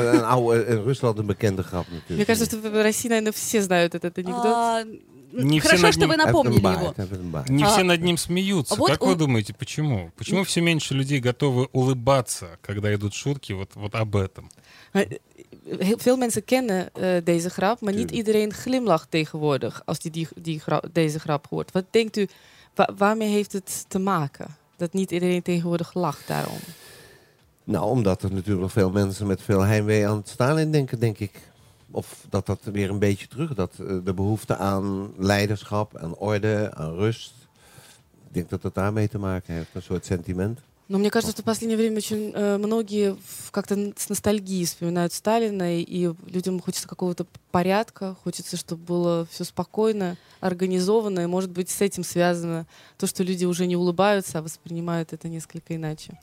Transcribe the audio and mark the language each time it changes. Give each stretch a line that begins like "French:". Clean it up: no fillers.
Russian: Мне кажется, что в России, наверное, все знают этот анекдот. Не хорошо, что вы напомнили его. Не все над ним смеются. Вот как вы думаете, почему? Почему все меньше людей готовы улыбаться, когда идут шутки вот об этом?
Dutch: Viel mensen kennen deze grap, maar niet iedereen glimlacht tegenwoordig als die deze grap hoort. Wat denkt u, waarmee heeft het te maken dat niet iedereen tegenwoordig lacht daarom? Nou, omdat er natuurlijk veel mensen met veel heimwee aan Stalin denken, denk ik. Of dat dat weer een beetje terug, dat de behoefte aan leiderschap, aan orde, aan rust. Ik denk dat dat daarmee te maken heeft, een soort sentiment.
Russian: Но мне кажется, что в последнее время очень многие как-то с ностальгией вспоминают Сталина, и людям хочется какого-то порядка, хочется, чтобы было все спокойно, организованно, и, может быть, с этим связано то, что люди уже не улыбаются, а воспринимают это несколько иначе.